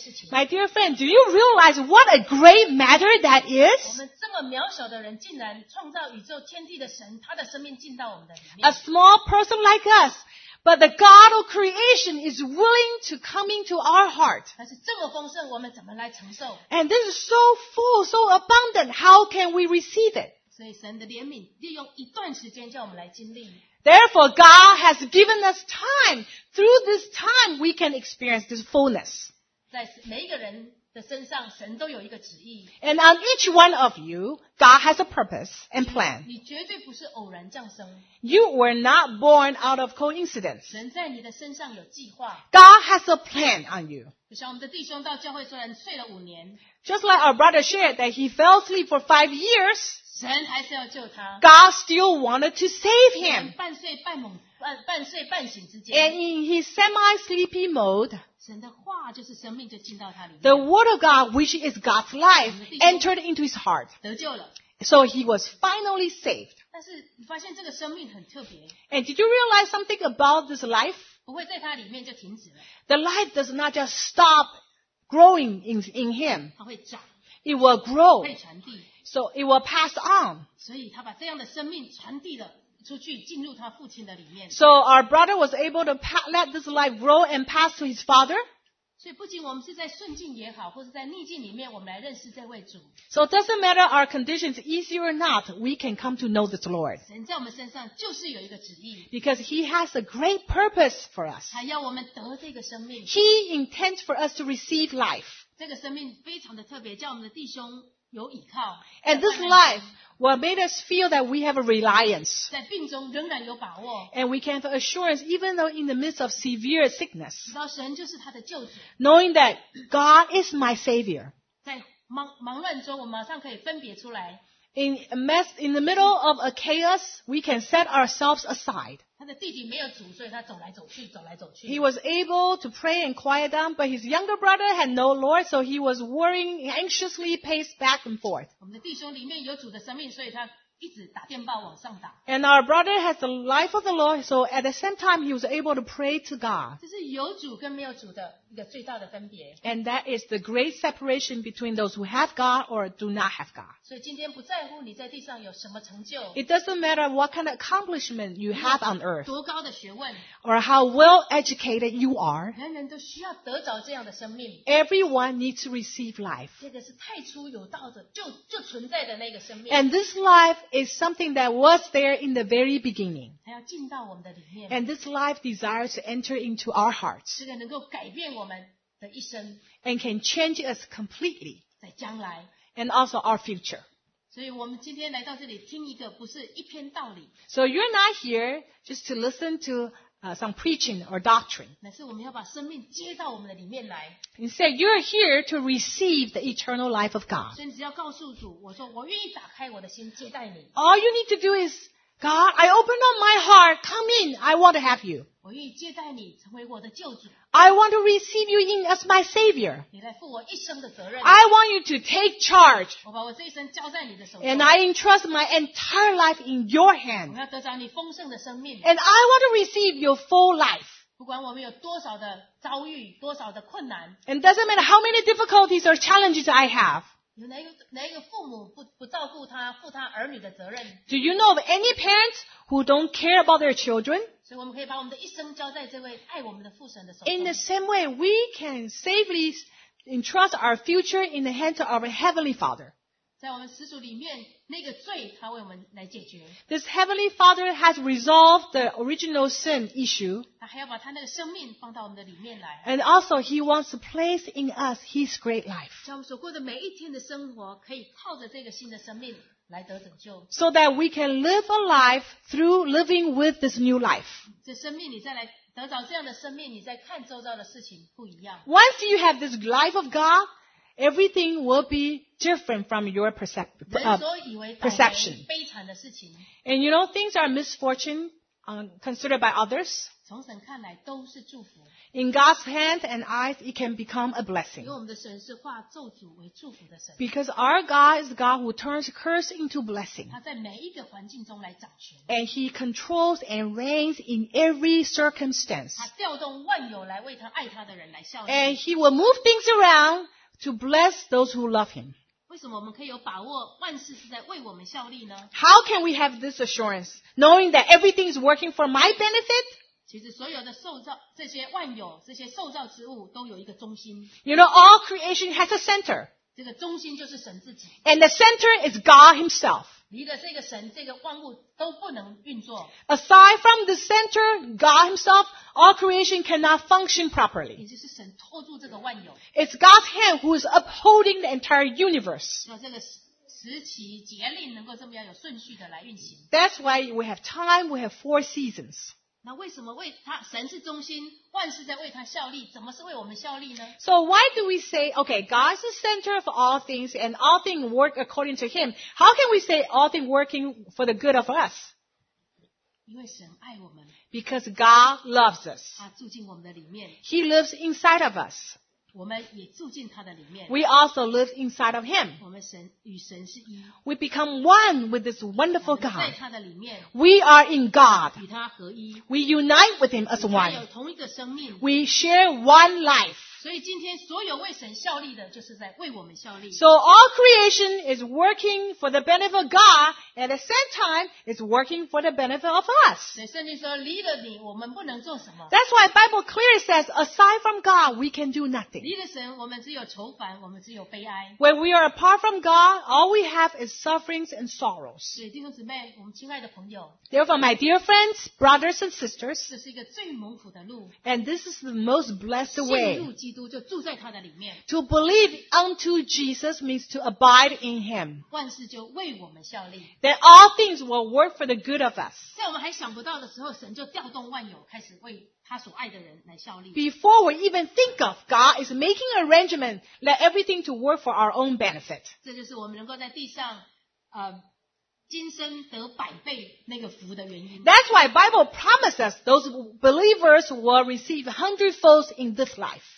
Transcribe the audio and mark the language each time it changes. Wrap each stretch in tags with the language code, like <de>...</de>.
<en>My dear friend, do you realize what a great matter that is? A small person like us But the God of creation is willing to come into our heart.</en> <zh>但是这么丰盛，我们怎么来承受？</zh> <en>And this is so full, so abundant, how can we receive it?</en> <zh>所以神的怜悯利用一段时间叫我们来经历。</zh> <en>Therefore, God has given us time. Through this time, we can experience this fullness.</en> <zh>在每一个人的身上，神都有一个旨意。</zh> <en>And on each one of you, God has a purpose and plan.</en> <zh>你绝对不是偶然降生。</zh> <en>You were not born out of coincidence.</en> <zh>神在你的身上有计划。</zh> <en>God has a plan on you.</en> <zh>就像我们的弟兄到教会虽然睡了五年。</zh> <en>Just like our brother shared that he fell asleep for 5 years.</en> <zh>神还是要救他。</zh> <en>God still wanted to save him.</en> <zh>半睡半猛，半睡半醒之间。</zh> <en>And in his semi-sleepy mode,</en> <zh>神的话就是生命就进到他里面。</zh> <en>The word of God, which is God's life, entered into his heart.</en> <zh>得救了。</zh> <en>So he was finally saved.</en> <zh>但是你发现这个生命很特别。</zh> <en>And did you realize something about this life?</en> <zh>不会在他里面就停止了。</zh> <en>The life does not just stop growing in him.</en> <zh>它会长。</zh> <en>It will grow.</en> <zh>会传递。</zh> <en>So it will pass on.</en> <zh>所以他把这样的生命传递了出去，进入他父亲的里面。</zh> <en>So our brother was able to let this life grow and pass to his father.</en> <zh>所以不仅我们是在顺境也好，或是在逆境里面，我们来认识这位主。</zh> <en>So it doesn't matter our conditions easy or not, we can come to know this Lord.</en> <zh>神在我们身上就是有一个旨意。</zh> <en>Because he has a great purpose for us.</en> <zh>他要我们得这个生命。</zh> <en>He intends for us to receive life.</en> <zh>这个生命非常的特别，叫我们的弟兄。有倚靠。</zh> <en>And this life will make us feel that we have a reliance.</en> <zh>在病中仍然有把握。</zh> <en>And we can have assurance even though in the midst of severe sickness.</en> <zh>知道神就是他的救主。</zh> <en>Knowing that God is my savior.</en> <zh>在忙乱中我马上可以分别出来。</zh> <en>In the middle of a chaos, we can set ourselves aside.</en> <zh>他的弟弟没有主，所以他走来走去，走来走去。</zh> <en>He was able to pray and quiet down, but his younger brother had no Lord, so he was worrying anxiously, paced back and forth.</en> <zh>我们的弟兄里面有主的生命，所以他一直打电报往上打。</zh> <en>And our brother has the life of the Lord, so at the same time, he was able to pray to God.</en> <zh>这是有主跟没有主的一个最大的分别。</zh> <en>And that is the great separation between those who have God or do not have God.</en> <zh>所以今天不在乎你在地上有什么成就。</zh> <en>It doesn't matter what kind of accomplishment you have on earth.</en> <zh>多高的学问。</zh> <en>Or how well educated you are.</en> <zh>人人都需要得着这样的生命。</zh> <en>Everyone needs to receive life.</en> <zh>这个是太初有道的，就存在的那个生命。</zh> <en>And this life is something that was there in the very beginning.</en> <zh>它要进到我们的里面。</zh> <en>And this life desires to enter into our hearts.</en> <zh>这个能够改变我们的一生。</zh> <en>And can change us completely.</en> <zh>在将来。</zh> <en>And also our future.</en> <zh>所以我们今天来到这里听一个不是一篇道理。</zh> <en>So you're not here just to listen to some preaching or doctrine.</en> <zh>乃是我们要把生命接到我们的里面来。</zh> <en>Instead, you're here to receive the eternal life of God.</en> <zh>所以你只要告诉主，我说我愿意打开我的心接待你。</zh> <en>All you need to do is, God, I open up my heart, come in, I want to have you.</en> <zh>我愿意接待你成为我的救主。</zh> <en>I want to receive you in as my savior.</en> <zh>你来负我一生的责任。</zh> <en>I want you to take charge.</en> <zh>我把我这一生交在你的手中。</zh> <en>And I entrust my entire life in your hand.</en> <zh>我要得着你丰盛的生命。</zh> <en>And I want to receive your full life.</en> <zh>不管我们有多少的遭遇，多少的困难。</zh> <en>And doesn't matter how many difficulties or challenges I have.</en> <zh>有哪一个父母不照顾他，负他儿女的责任。</zh> <en>Do you know of any parents who don't care about their children?</en> <zh>所以我们可以把我们的一生交在这位爱我们的父神的手中。</zh> <en>In the same way, we can safely entrust our future in the hands of our Heavenly Father.</en> <zh>在我们始祖里面，那个罪他为我们来解决。</zh> <en>This Heavenly Father has resolved the original sin issue.</en> <zh>他还要把他那个生命放到我们的里面来。</zh> <en>And also, he wants to place in us his great life.</en> <zh>叫我们所过的每一天的生活可以靠着这个新的生命。</zh> <en>So that we can live a life through living with this new life.</en> <zh>这生命你再来得到这样的生命，你再看周遭的事情不一样。</zh> <en>Once you have this life of God, everything will be different from your perception.</en> <zh>人所以为倒霉悲惨的事情。</zh> <en>And you know, things are misfortune considered by others.</en> <zh>从神看来都是祝福。</zh> <en>In God's hands and eyes, it can become a blessing.</en> <zh>因为我们的神是化咒诅为祝福的神。</zh> <en>Because our God is God who turns curse into blessing.</en> <zh>他在每一个环境中来掌权。</zh> <en>And he controls and reigns in every circumstance.</en> <zh>他调动万有来为他爱他的人来效力。</zh> <en>And he will move things around to bless those who love him.</en> <zh>为什么我们可以有把握万事是在为我们效力呢？</zh> <en>How can we have this assurance, knowing that everything is working for my benefit?</en> <zh>其实所有的受造这些万有这些受造之物都有一个中心。</zh> <en>You know, all creation has a center.</en> <zh>这个中心就是神自己。</zh> <en>And the center is God himself.</en> <zh>离了这个神这个万物都不能运作。</zh> <en>Aside from the center, God himself, all creation cannot function properly.</en> <zh>也就是神托住这个万有。</zh> <en>It's God's hand who is upholding the entire universe.</en> <zh>那这个时期节令能够这么样有顺序的来运行。</zh> <en>That's why we have time, we have four seasons.</en> <zh>那为什么为他神是中心，万事在为他效力，怎么是为我们效力呢？</zh> <en>So why do we say, okay, God is the center of all things and all things work according to him. How can we say all things working for the good of us?</en> <zh>因为神爱我们。</zh> <en>Because God loves us.</en> <zh>他住进我们的里面。</zh> <en>He lives inside of us.</en> <zh>我们也住进他的里面。</zh> <en>We also live inside of him.</en> <zh>我们神与神是一。</zh> <en>We become one with this wonderful God.</en> <zh>在他的里面。</zh> <en>We are in God.</en> <zh>与他合一。</zh> <en>We unite with him as one.</en> <zh>与他有同一个生命。</zh> <en>We share one life.</en> <zh>所以今天所有为神效力的就是在为我们效力。</zh> <en>So all creation is working for the benefit of God, at the same time, it's working for the benefit of us.</en> <zh>所以圣经说离了你我们不能做什么。</zh> <en>That's why Bible clearly says, aside from God, we can do nothing.</en> <zh>离了神，我们只有愁烦，我们只有悲哀。</zh> <en>When we are apart from God, all we have is sufferings and sorrows.</en> <zh>对，弟兄姊妹，我们亲爱的朋友。</zh> <en>Therefore, my dear friends, brothers and sisters,</en> <zh>这是一个最蒙福的路。</zh> <en>And this is the most blessed way.</en> <zh>信入基督就住在他的里面。</zh> <en>To believe unto Jesus means to abide in him.</en> <zh>万事就为我们效力。</zh> <en>That all things will work for the good of us.</en> <zh>在我们还想不到的时候，神就调动万有，开始为他所爱的人来效力。</zh> <en>Before we even think of, God is making arrangement let everything to work for our own benefit.</en> <zh>这就是我们能够在地上今生得百倍那个福的原因。</zh> <en>That's why Bible promises those believers will receive hundredfold in this life.</en>